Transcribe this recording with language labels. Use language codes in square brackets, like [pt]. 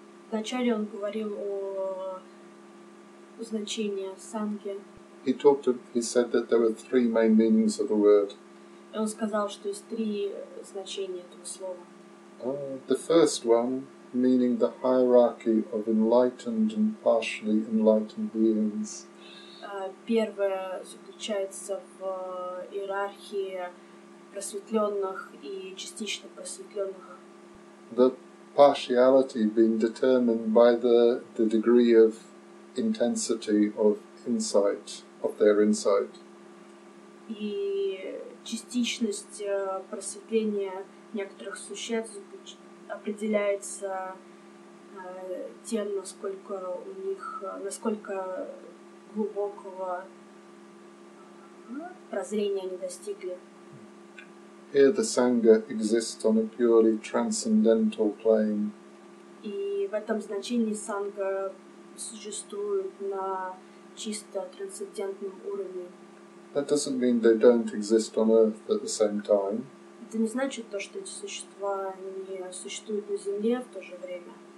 [ru] Вначале он говорил о значении санги. [en] He said that there were three main meanings of the word. [ru] Он сказал, что есть три значения этого слова. [en] The first one, meaning the hierarchy of enlightened and partially enlightened beings. [ru] Первое заключается в иерархии просветленных и частично просветленных. [en] The partiality being determined by the degree of intensity of insight, of their insight. [ru] И частичность просветления некоторых существ определяется тем, насколько у них, насколько глубокого прозрения они достигли. [en] Here the sangha exists on a purely transcendental plane. [ru] И в этом значении санга существует на чисто трансцендентном уровне. [en] That doesn't mean they don't exist on Earth at the same time. [ru] Это не значит то, что эти существа не существуют на Земле в то же время.